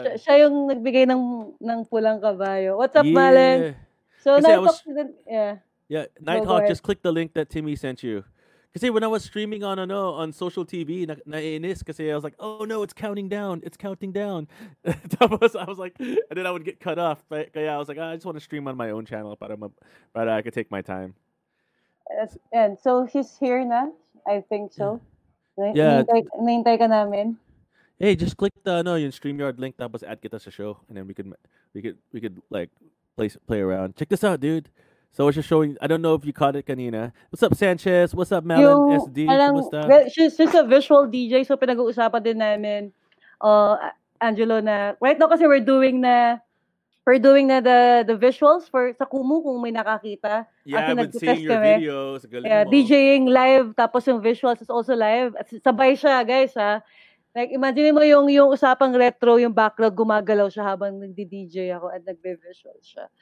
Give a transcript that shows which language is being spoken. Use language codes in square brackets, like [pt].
[tl] Yun, siya yung nagbigay ng pulang kabayo. [en] What's up, Malen? So, kasi Nighthawk... Yeah, Nighthawk, just click the link that Timmy sent you. Kasi when I was streaming on social TV, [tl] naiinis kasi [en] I was like, oh no, it's counting down. Tapos I was like, and then I would get cut off. [tl] Kaya [en] I was like, I just want to stream on my own channel [tl] para [en] I could take my time. And so she's here na, I think so. Yeah. [tl] Naintay ka namin. [en] Hey, just click yung StreamYard link, [tl] tapos add kita sa show, [en] and then we could like play around. Check this out, dude. So it's just showing. I don't know if you caught it, kanina. What's up, Sanchez? What's up, Melon? SD? What's up? She's a visual DJ, [tl] so pinag-uusapan din namin, [en] Angelo, na right now kasi we're doing the visuals for sa Kumu [tl] kung may nakakita. [en] Yeah, I've been seeing your videos. DJing live, [tl] tapos yung [en] visuals is also live. [tl] At sabay siya, guys, ha? Like, imagine mo yung usapang retro, yung backlog, gumagalaw siya habang nagdi-DJ ako at nagbe-visual siya.